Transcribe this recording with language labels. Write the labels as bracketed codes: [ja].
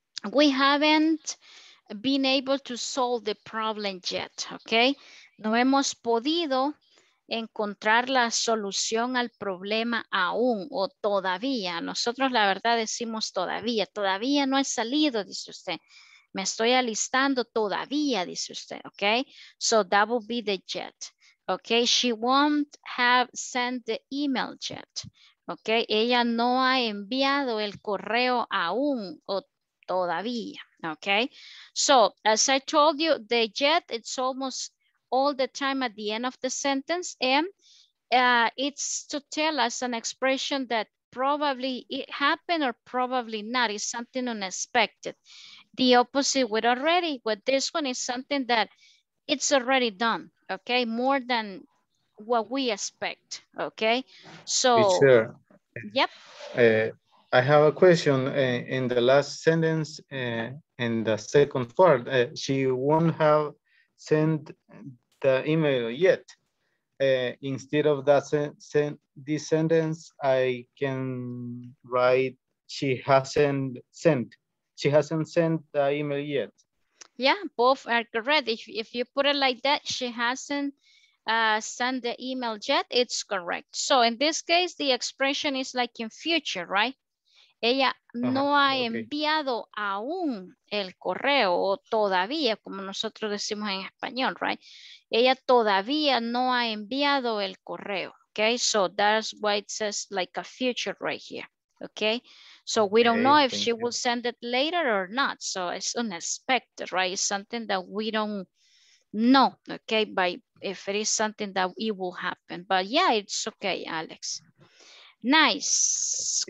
[en] We haven't been able to solve the problem yet. Okay. [es] No hemos podido encontrar la solución al problema aún o todavía. Nosotros la verdad decimos todavía. Todavía no he salido, dice usted. Me estoy alistando todavía, dice usted. [en] Okay? So that would be the jet. Okay, she won't have sent the email yet. [es] Okay, ella no ha enviado el correo aún o todavía. [en] Okay, so as I told you, the yet, it's almost all the time at the end of the sentence. And it's to tell us an expression that probably it happened or probably not. It's something unexpected. The opposite with already, with this one is something that it's already done. Okay, more than what we expect. Okay, so teacher, yep. I have a question in the last sentence, in the second part, she won't have sent the email yet. Instead of that this sentence, I can write she hasn't sent. She hasn't sent the email yet. Yeah, both are correct. If you put it like that, she hasn't sent the email yet, it's correct. So in this case, the expression is like in future, right? [es] Ella no ha enviado aún el correo, o todavía, como nosotros decimos en español, right? Ella todavía no ha enviado el correo, okay? [en] So that's why it says like a future right here, okay? So we don't know if she will send it later or not. So it's unexpected, right? It's something that we don't know, okay? But if it is something that it will happen. But yeah, it's okay, Alex. Nice.